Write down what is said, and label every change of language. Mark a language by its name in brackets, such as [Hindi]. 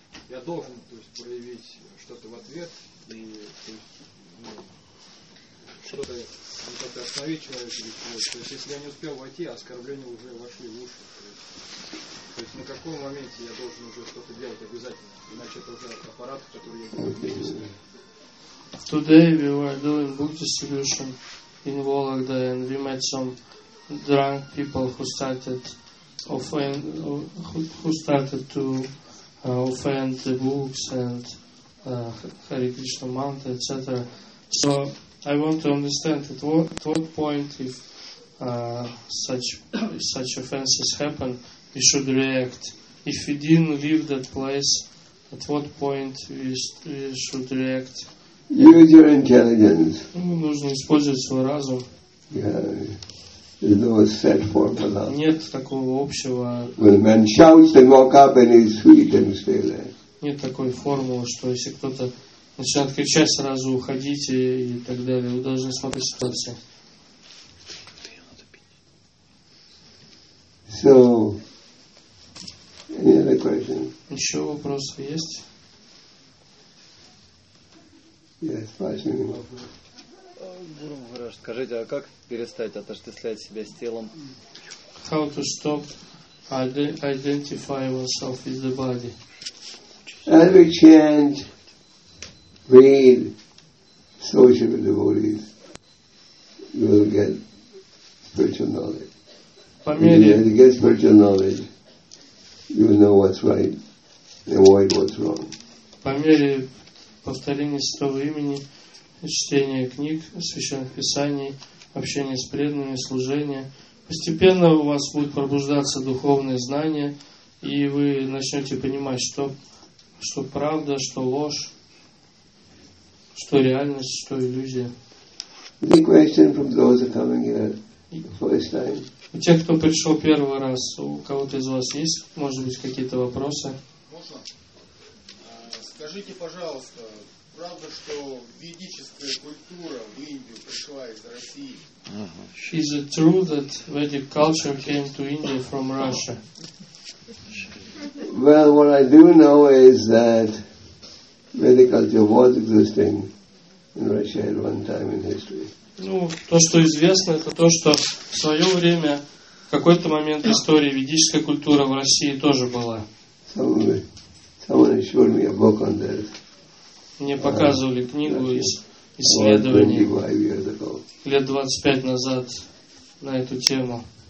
[Russian] Я должен, то есть, проявить что-то в ответ и, то есть, ну, что-то, ну, как-то остановить человека или чего-то. То есть, если я не успел войти, оскорбления уже вошли в уши. То есть, на каком моменте я должен уже что-то делать обязательно? Иначе это уже аппарат, который я буду использовать. [English] Today we were doing book distribution in Vologda, and we met some drunk people who started to offend the books and Hare Krishna mantra, etc. So I want to understand at what point, if such offenses happen, we should react. If we didn't leave that place, at what point we should react? Use your intelligence. [Russian] Ну, нужно использовать свой разум. [English] Yeah, there's no set formula. [Russian] Нет такого общего. [English] When man shouts and woke up and he's sweet and stay there. [Russian] Нет такой формулы, что если кто-то начинает кричать, сразу уходите и так далее. Вы должны смотреть ситуацию. [English] So, any other question? [Russian] Еще вопросы есть? [English] Yes, five minutes. [Russian] Гуру Махарадж, скажите, а как перестать отождествлять себя с телом? [English] How to stop identify oneself with the body? As we chant, read, associate with devotees, you will get spiritual knowledge. If you get spiritual knowledge, you will know what's right and avoid what's wrong. [Russian] По мере повторения святого имени, чтение книг, священных писаний, общение с преданными, служение. Постепенно у вас будет пробуждаться духовное знание, и вы начнете понимать, что правда, что ложь, что реальность, что иллюзия. [English] Any question from those who are coming here for this time? [Russian] У тех, кто пришел первый раз, у кого-то из вас есть, может быть, какие-то вопросы? Можно? Скажите, пожалуйста, правда, что ведическая культура в Индию пришла из России? [English] Is it true that Vedic culture came to India from Russia? Well, what I do know is that Vedic culture was existing in Russia at one time in history. [Russian] Ну, то, что известно, это то, что в свое время, в какой-то момент истории, ведическая культура в России тоже была. [English] Someone showed me a book on that. [Russian] Мне показывали книгу из исследований лет 25 назад на эту тему.